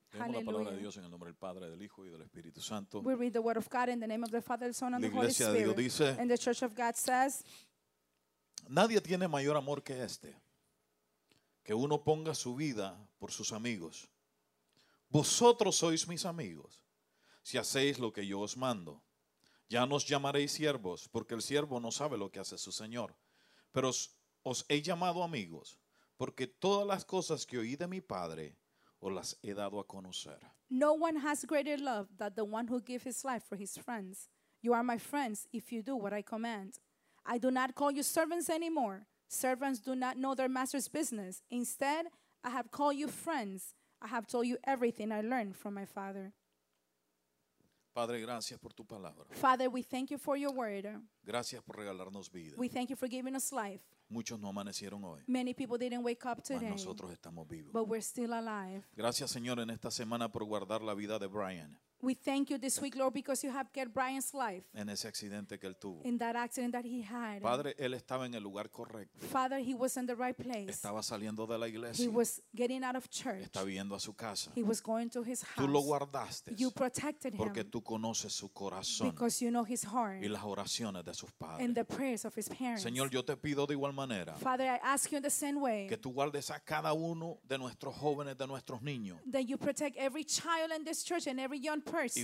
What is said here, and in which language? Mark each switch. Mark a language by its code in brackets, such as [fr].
[es] Leemos la palabra de Dios en el nombre del Padre, del Hijo y del Espíritu Santo. [en] We read the word of God in the name of the Father, the Son, and the Holy Spirit. [es] La Iglesia de Dios dice, [en] and the Church of God says, [es] nadie tiene mayor amor que este, que uno ponga su vida por sus amigos. Vosotros sois mis amigos, si hacéis lo que yo os mando. Ya no os llamaréis siervos, porque el siervo no sabe lo que hace su Señor. Pero os he llamado amigos, porque todas las cosas que oí de mi Padre, o las he dado a conocer. [en] No one has greater love than the one who gives his life for his friends. You are my friends if you do what I command. I do not call you servants anymore. Servants do not know their master's business. Instead, I have called you friends. I have told you everything I learned from my Father. [es] Padre, gracias por tu palabra. [en] Father, we thank you for your word. [es] Gracias por regalarnos vida. [en] We thank you for giving us life. [es] Muchos no amanecieron hoy. [en] Many people didn't wake up today. [es] Mas nosotros estamos vivos. [en] But we're still alive. [es] Gracias, Señor, en esta semana por guardar la vida de Brian. [en] We thank you this week, Lord, because you have kept Brian's life. [es] En ese accidente que él tuvo. [en] In that accident that he had. [es] Padre, él estaba en el lugar correcto. [en] Father, he was in the right place. [es] Estaba saliendo de la iglesia. [en] He was getting out of church. [es] Estaba yendo a su casa. [en] He was going to his house. [es] Tú lo guardaste. [en] You protected him. [es] Porque tú conoces su corazón. [en] Because you know his heart. [es] Y las oraciones de sus padres. [en] And the prayers of his parents. [es] Señor, yo te pido de igual manera. [en] Father, I ask you in the same way. [es] Que tú guardes a cada uno de nuestros jóvenes, de nuestros niños. [en] That you protect every child in this church and every young person.